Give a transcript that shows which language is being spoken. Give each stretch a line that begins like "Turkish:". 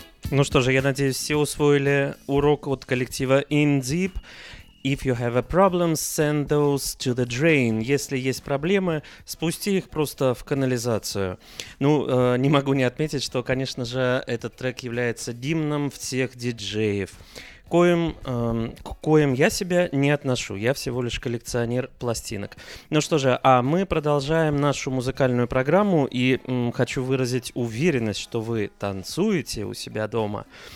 Russian: Ну что же, я надеюсь, все усвоили урок от коллектива In Deep.
English: If you have a problem, send those to the drain.
Russian: Если есть проблемы, спусти их просто в канализацию. Ну, не могу не отметить, что, конечно же, этот трек является гимном всех диджеев, к коим я себя не отношу. Я всего лишь коллекционер пластинок. Ну что же, а мы продолжаем нашу музыкальную программу, и хочу выразить уверенность, что вы танцуете у себя дома.